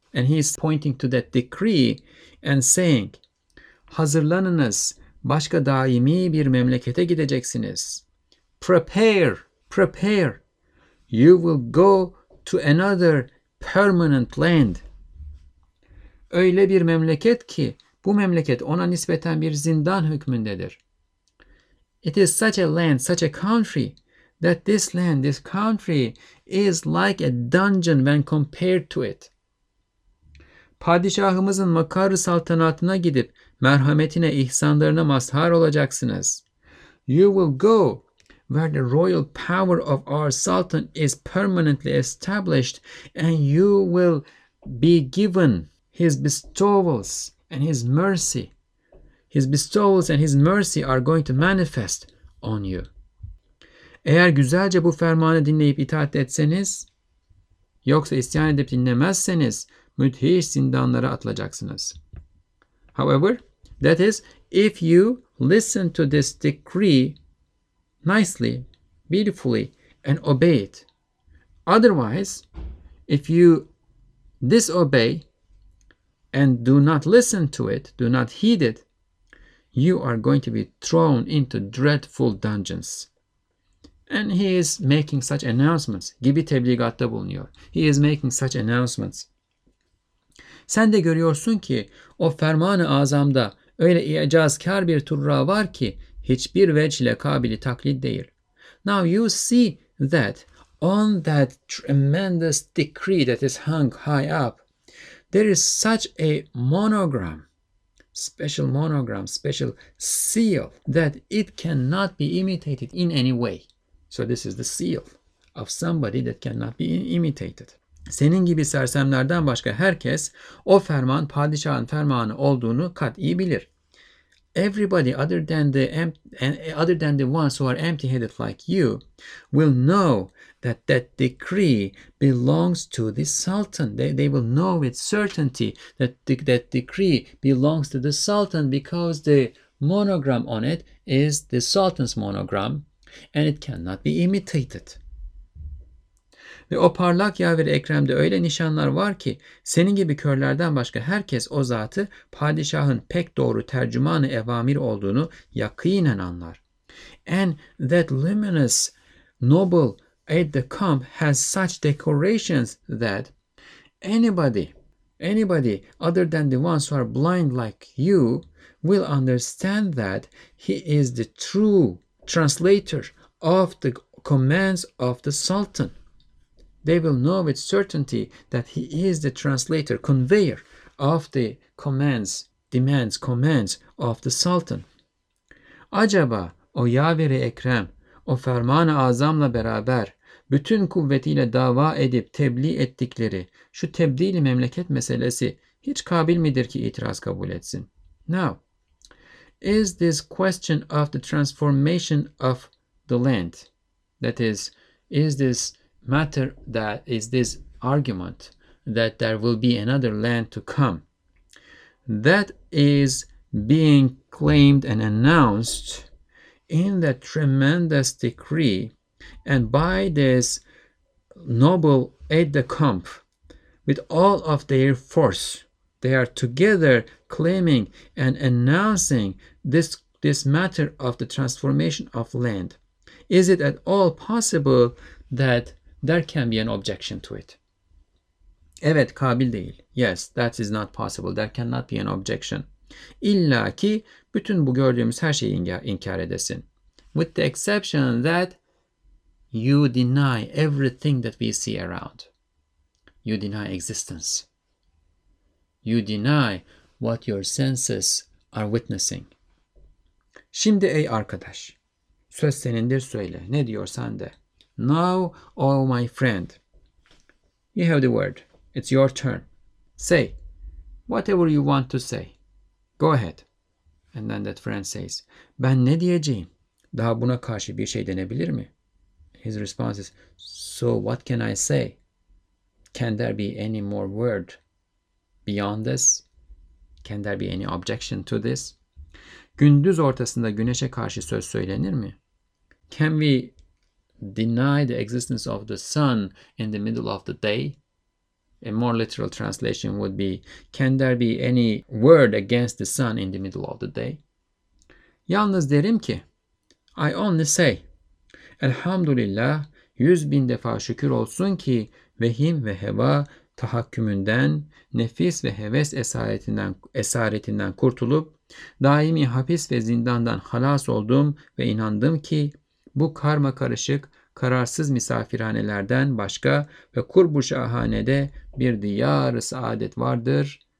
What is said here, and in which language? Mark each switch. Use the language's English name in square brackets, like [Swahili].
[English] And he is pointing to that decree and saying, [Turkish] hazırlanınız, başka daimi bir memlekete gideceksiniz. [English] Prepare, prepare. You will go to another permanent land. [Turkish] Öyle bir memleket ki, bu memleket ona nispeten bir zindan hükmündedir. [English] It is such a land, such a country, that this land, this country is like a dungeon when compared to it. [Turkish] Padişahımızın makarı saltanatına gidip, merhametine, ihsanlarına mazhar olacaksınız. [English] You will go where the royal power of our Sultan is permanently established, and you will be given his bestowals and his mercy. His bestowals and his mercy are going to manifest on you. [Turkish] Eğer güzelce bu fermanı dinleyip itaat etseniz, yoksa isyan edip dinlemezseniz, müthiş zindanlara atılacaksınız. [English] However, that is, if you listen to this decree nicely, beautifully, and obey it. Otherwise, if you disobey and do not listen to it, do not heed it, you are going to be thrown into dreadful dungeons. And he is making such announcements. [Turkish] Gibi tebligatta bulunuyor. [English] He is making such announcements. [Turkish] Sen de görüyorsun ki o ferman-ı azamda öyle icazkar bir turra var ki hiçbir vecih ile kabili taklit değil. [English] Now you see that on that tremendous decree that is hung high up, there is such a monogram, special seal that it cannot be imitated in any way. So this is the seal of somebody that cannot be imitated. [Turkish] Senin gibi sersemlerden başka herkes o ferman padişahın fermanı olduğunu kat'i bilir. [English] Everybody other than the ones who are empty-headed like you will know that that decree belongs to the Sultan. They will know with certainty that that decree belongs to the Sultan because the monogram on it is the Sultan's monogram and it cannot be imitated. [Turkish] Ve o parlak Yaver-i Ekrem'de öyle nişanlar var ki senin gibi körlerden başka herkes o zatı padişahın pek doğru tercüman-ı evamir olduğunu yakinen anlar. [English] And that luminous noble aide-de-camp has such decorations that anybody other than the ones who are blind like you will understand that he is the true translator of the commands of the Sultan. They will know with certainty that he is the translator, conveyor of the commands of the Sultan. [Turkish] Acaba o Yaver-i Ekrem, o ferman-ı azamla beraber bütün kuvvetiyle dava edip tebliğ ettikleri şu tebdil-i memleket meselesi Hiç kabil midir ki itiraz kabul etsin? [English] Now, is this question of the transformation of the land, that is this matter, that is this argument that there will be another land to come, that is being claimed and announced in that tremendous decree and by this noble aide-de-camp with all of their force, they are together claiming and announcing this matter of the transformation of land. Is it at all possible that there can be an objection to it? [Turkish] Evet, kabil değil. [English] Yes, that is not possible. There cannot be an objection. [Turkish] İlla ki bütün bu gördüğümüz her şeyi inkar edesin. [English] With the exception that you deny everything that we see around. You deny existence. You deny what your senses are witnessing. [Turkish] Şimdi ey arkadaş, söz senindir, söyle. Ne diyorsan de. [English] Now, oh my friend, you have the word. It's your turn. Say whatever you want to say. Go ahead. And then that friend says, [Turkish] ben ne diyeceğim? Daha buna karşı bir şey denebilir mi? [English] His response is, so what can I say? Can there be any more word beyond this? Can there be any objection to this? [Turkish] Gündüz ortasında güneşe karşı söz söylenir mi? [English] Can we deny the existence of the sun in the middle of the day? A more literal translation would be, can there be any word against the sun in the middle of the day? [Turkish] Yalnız derim ki, [English] I only say, [Turkish] elhamdülillah, yüz bin defa şükür olsun ki, vehim ve heva tahakkümünden, nefis ve heves esaretinden kurtulup, daimi hapis ve zindandan halas oldum ve inandım ki, bu karma karışık, kararsız misafirhanelerden başka ve kurbu şahanede bir diyar-ı saadet vardır.